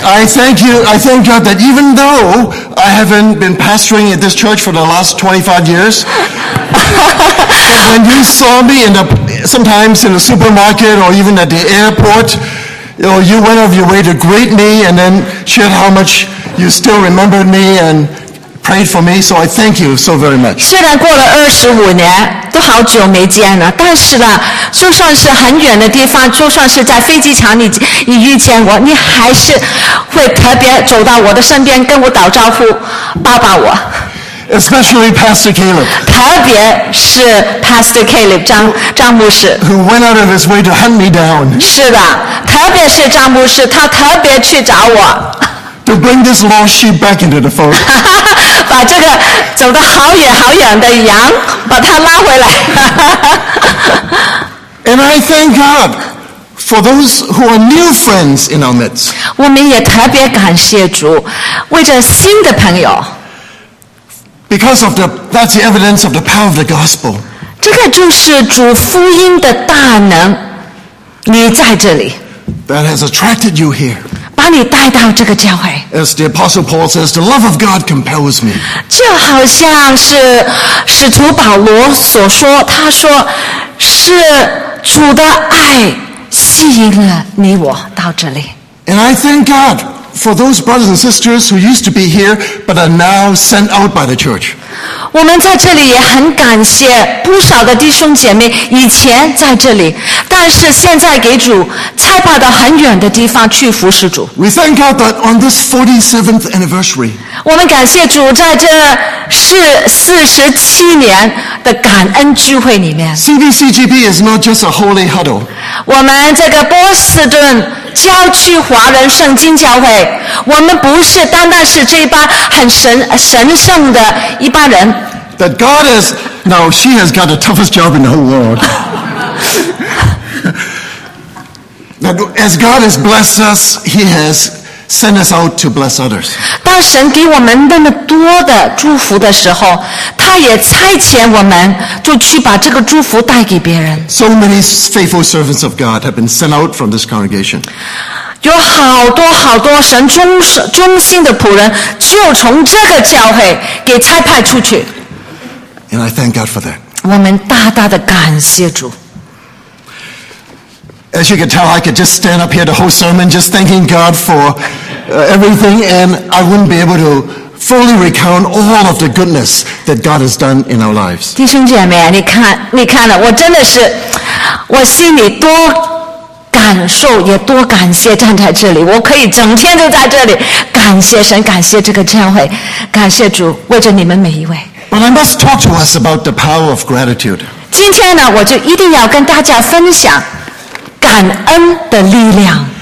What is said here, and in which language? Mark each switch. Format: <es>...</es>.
<en>I thank God that even though I haven't been pastoring at this church for the last 25 years, but when you saw me sometimes in the supermarket or even at the airport, you know, you went out of your way to greet me and then shared how much you still remembered me and prayed for me, so I thank you so very much.</en> <zh>虽然过了25年，都好久没见了，但是呢，就算是很远的地方，就算是在飞机场你遇见我，你还是会特别走到我的身边，跟我打招呼，抱抱我。</zh> <en>Especially Pastor Caleb.</en> <zh>特别是 Pastor Caleb 张牧师。</zh> <en>Who went out of his way to hunt me down.</en> <zh>是的，特别是张牧师，他特别去找我。</zh> <en>To bring this lost sheep back into the fold.</en> <zh>把这个走得好远好远的羊把它拉回来。</zh> <en>And I thank God for those who are new friends in our midst.</en> <zh>我们也特别感谢主为这新的朋友。</zh> <en>Because of that's the evidence of the power of the gospel.</en> <zh>这个就是主福音的大能你在这里。</zh> <en>That has attracted you here.</en> <zh>把你带到这个教会。</zh> <en>As the Apostle Paul says, the love of God compels me.</en> <zh>就好像是使徒保罗所说，他说是主的爱吸引了你我到这里。</zh> <en>And I thank God for those brothers and sisters who used to be here but are now sent out by the church.</en> <zh>我们在这里也很感谢不少的弟兄姐妹以前在这里，但是现在给主差派到很远的地方去服侍主。</zh> <en>We thank God that on this 47th anniversary,</en> <zh>我们感谢主在这47年的感恩聚会里面。</zh> <en>CBCGB is not just a holy huddle.</en> <zh>我们这个波士顿郊区华人圣经教会，我们不是单单是这一班很神圣的一班人。</zh> <en>That God is now she has got the toughest job in the whole world. That as God has blessed us, He has sent us out to bless others.</en> <zh>当神给我们那么多的祝福的时候，他也差遣我们就去把这个祝福带给别人。</zh> <en>So many faithful servants of God have been sent out from this congregation.</en> <zh>有好多好多神忠心的仆人就从这个教会给差派出去。</zh> <en>And I thank God for that.</en> <zh>我们大大的感谢主。</zh> <en>As you can tell, I could just stand up here the whole sermon just thanking God for everything, and I wouldn't be able to fully recount all of the goodness that God has done in our lives.</en> <zh>弟兄姐妹，你看了，我真的是，我心里多感受，也多感谢站在这里。我可以整天都在这里，感谢神，感谢这个教会，感谢主，为着你们每一位。</zh> <en>But I must talk to us about the power of gratitude.</en> <zh>今天呢，我就一定要跟大家分享感恩的力量。</zh>